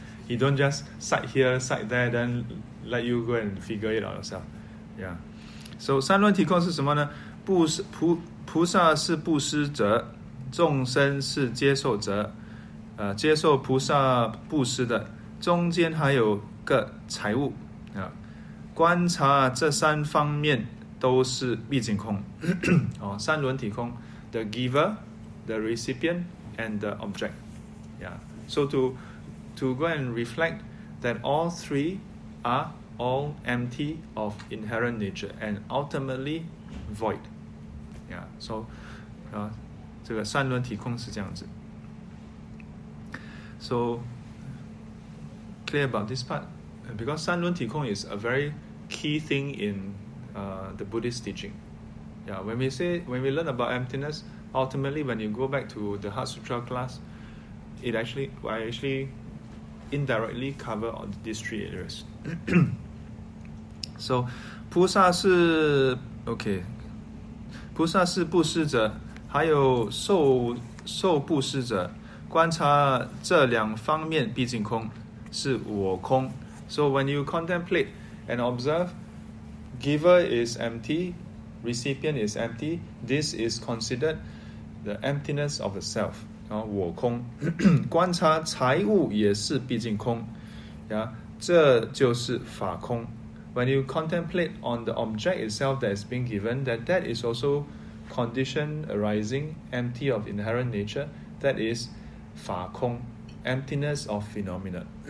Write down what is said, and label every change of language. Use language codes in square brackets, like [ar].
[en] He don't just cite here, cite there, then let you go and figure it out yourself. Yeah. [zh] So 三轮体空是什么呢？菩萨是布施者，众生是接受者，接受菩萨布施的，中间还有个财物啊。观察这三方面都是毕竟空三轮体空 [en] the giver, the recipient and the object、 [zh] yeah. [en] So to go and reflect that all three are all empty of inherent nature and ultimately void、yeah. [zh] So、这个三轮体空是这样子。 [en] So clear about this part, because 三轮体空 is a very key thing inthe Buddhist teaching. Yeah, when we learn about emptiness, ultimately when you go back to the Heart Sutra class, I actually indirectly cover all these three areas. [zh] So, 菩萨是 okay, 菩萨是布施者，还有受布施者，观察这两方面毕竟空，是我空。 [en] So when you contemplate and observeGiver is empty, recipient is empty. This is considered the emptiness of the self. [zh] 然后我空，观察财物也是毕竟空，呀，这就是法空。 [en] When you contemplate on the object itself that is being given, that is also condition arising, empty of inherent nature. That is 法空 emptiness of phenomena.